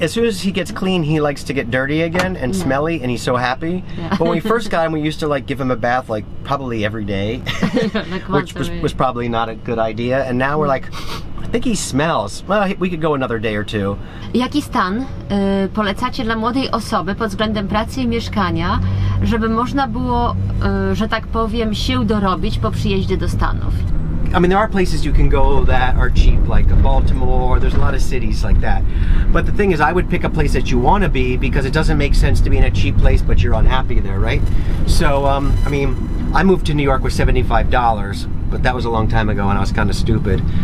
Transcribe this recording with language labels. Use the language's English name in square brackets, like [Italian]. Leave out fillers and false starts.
[English] As soon as he gets clean, he likes to get dirty again and smelly, and he's so happy. Yeah. But when we first got him, we used to like give him a bath like probably every day, which was probably not a good idea. And now we're like, I think he smells. Well, we could go another day or two. [Polish] Jaki stan polecacie dla młodej osoby pod względem pracy i mieszkania, żeby można było, że tak powiem, się dorobić po przyjeździe do Stanów? [English] I mean, there are places you can go that are cheap, like Baltimore, there's a lot of cities like that. But the thing is, I would pick a place that you want to be, because it doesn't make sense to be in a cheap place, but you're unhappy there, right? So, I moved to New York with $75, but that was a long time ago and I was kind of stupid.